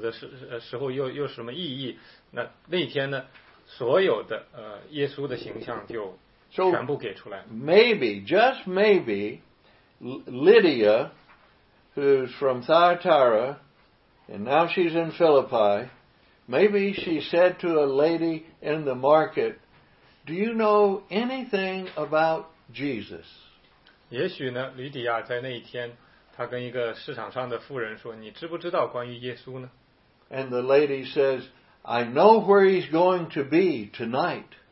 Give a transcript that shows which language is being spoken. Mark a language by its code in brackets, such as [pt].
[zh] 所以那天呢，传道人就翻开了圣经，把耶稣的生平，把他一切，他为什么要来，他在做什么，他死的时候又什么意义，那天呢， 所有的耶稣的形象就全部给出来。 [en] So, maybe, just maybe, Lydia, who's from Thyatira, and now she's in Philippi, maybe she said to a lady in the market, do you know anything about Jesus? [zh] 也许呢，吕底亚在那一天，她跟一个市场上的妇人说，你知不知道关于耶稣呢？ [en] And the lady says, I know where he's going to be tonight.